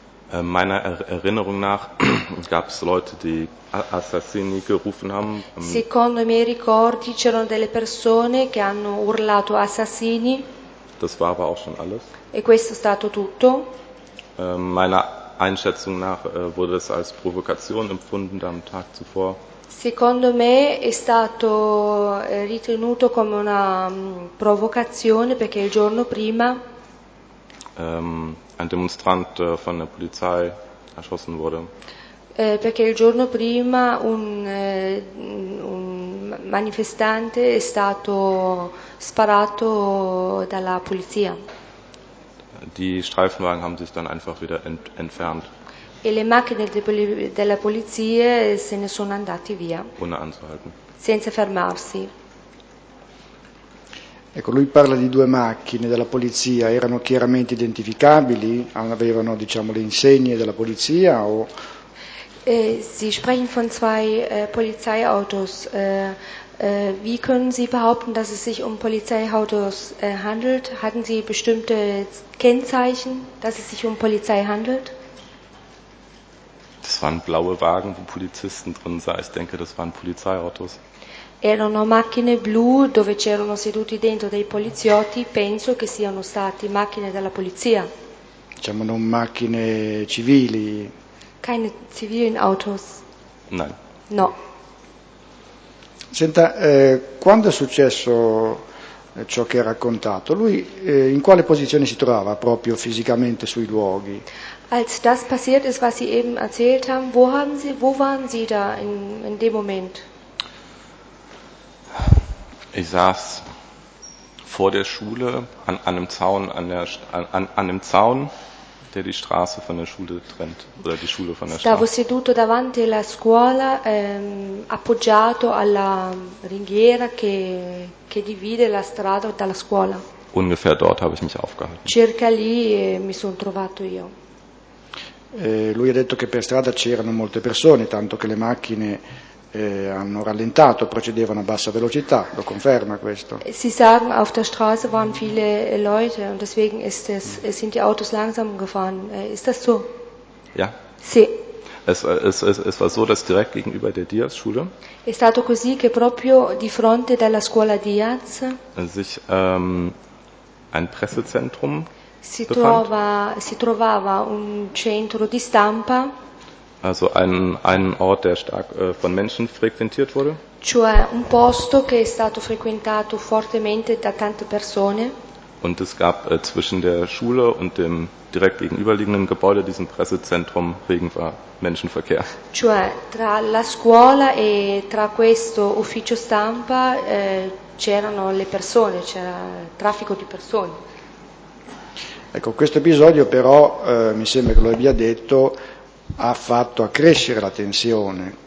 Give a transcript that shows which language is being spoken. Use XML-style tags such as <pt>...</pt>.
<de>Meiner Erinnerung nach gab es Leute, die Assassini gerufen haben.</de> <it>Secondo i miei ricordi c'erano delle persone che hanno urlato Assassini.</it> <de>Das war aber auch schon alles.</de> <it>E questo è stato tutto.</it> <de>Meiner Einschätzung nach wurde es als Provokation empfunden am Tag zuvor.</de> <it>Secondo me è stato ritenuto come una provocazione perché il giorno prima</it> <de>ein Demonstrant von der Polizei erschossen wurde.</de> <it>Perché il giorno prima un manifestante è stato sparato dalla polizia.</it> <de>Die Streifenwagen haben sich dann einfach wieder entfernt.</de> <it>E le macchine della polizia se ne sono andati via.</it> <de>Ohne anzuhalten.</de> <it>Senza fermarsi. Ecco, lui parla di due macchine della polizia, erano chiaramente identificabili, avevano diciamo le insegne della polizia o</it> <de>Sie sprechen von zwei Polizeiautos. Wie können Sie behaupten, dass es sich um Polizeiautos handelt? Hatten Sie bestimmte Kennzeichen, dass es sich um Polizei handelt? Das waren blaue Wagen, wo Polizisten drin saßen. Ich denke, das waren Polizeiautos.</de> <it>Erano macchine blu dove c'erano seduti dentro dei poliziotti. Penso che siano stati macchine della polizia. Diciamo non macchine civili.</it> <de>Keine zivilen Autos. Nein.</de> <it>No. Senta, quando è successo ciò che ha raccontato, lui in quale posizione si trovava proprio fisicamente sui luoghi?</it> <de>Als das passiert ist, was Sie eben erzählt haben, wo waren Sie da in dem Moment? Ich saß vor der Schule an einem Zaun, der die Straße von der Schule trennt oder die Schule von der Straße.</de> <it>Stavo seduto davanti alla scuola, appoggiato alla ringhiera che divide la strada dalla scuola.</it> <de>Ungefähr dort habe ich mich aufgehalten.</de> <it>Circa lì mi sono trovato io. Lui ha detto che per strada c'erano molte persone, tanto che le macchine hanno rallentato, procedevano a bassa velocità. Lo conferma questo?</it> <de>Si sagen, auf der Straße waren viele Leute und deswegen sind die Autos langsam gefahren. Ist das so? Ja.</de> <it>Sì.</it> <de>Es war so, dass direkt gegenüber der Diaz-Schule.</de> <it>È stato così che proprio di fronte della scuola Diaz.</it> <de>Sich ein Pressezentrum.</de> <it>Si trovava un centro di stampa.</it> <de>Also ein Ort, der stark von Menschen frequentiert wurde.</de> <it>Cioè un posto che è stato frequentato fortemente da tante persone.</it> <de>Und es gab zwischen der Schule und dem direkt gegenüberliegenden Gebäude, diesem Pressezentrum, regenwar Menschenverkehr.</de> <it>Cioè tra la scuola e tra questo ufficio stampa c'erano le persone, c'era traffico di persone. Ecco, questo episodio però, mi sembra che lo abbia detto, ha fatto accrescere la tensione.</it>